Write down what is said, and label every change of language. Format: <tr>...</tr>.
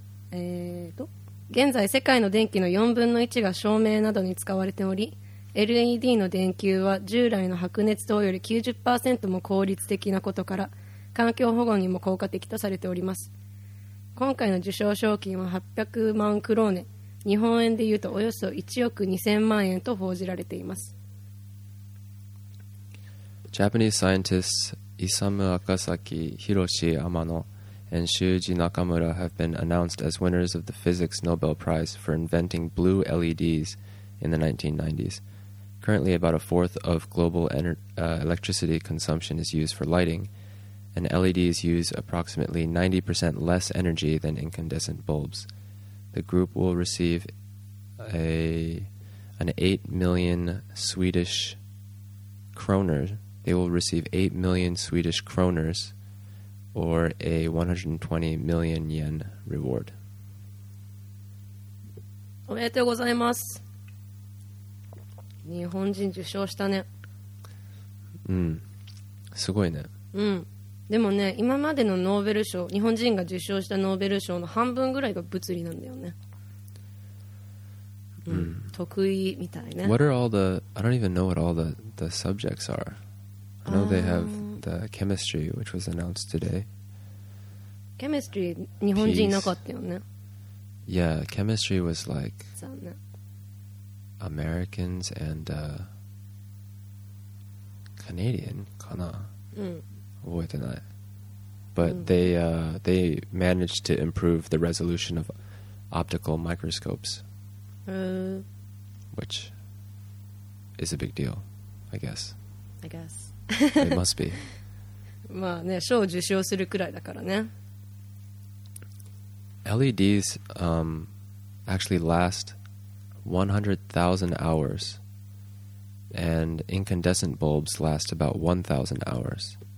<ja>現在世界の電気の4分の1が照明などに使われており、 LED の電球は従来の白熱灯より 90% も効率的なことから環境保護にも効果的とされております。今回の受賞賞金は800万クローネ、日本円でいうとおよそ1億2000万円と報じられています。</ja> <en>Japanese scientists Isamu Akasaki, Hiroshi Amano, and Shuji Nakamura have been announced as winners of the Physics Nobel Prize for inventing blue LEDs in the 1990s. Currently, about a fourth of global electricity consumption is used for lighting, and LEDs use approximately 90% less energy than incandescent bulbs. The group will receive an 8 million Swedish kroner. They will receive 8 million Swedish kroners, or a 120 million yen reward.</en> <ja>おめでとうございます。日本人受賞したね。うん。すごいね。うん。でもね、今までのノーベル賞、日本人が受賞したノーベル賞の半分ぐらいが物理なんだよね。うん。得意みたいね。</ja> <en>What are all the... I don't even know what all the subjects are. I know they have the chemistry, which was announced today.</en> <ja>Chemistry, 日本人いなかったよね。</ja> <en>Yeah, chemistry was like Americans and Canadian,</en> <ja>かな。覚えてない。</ja> <en>But they managed to improve the resolution of optical microscopes, which is a big deal, I guess. It must be.</en> <ja>まあね、賞を受賞するくらいだからね。</ja> <en>LEDs actually last 100,000 hours, and incandescent bulbs last about 1,000 hours.</en>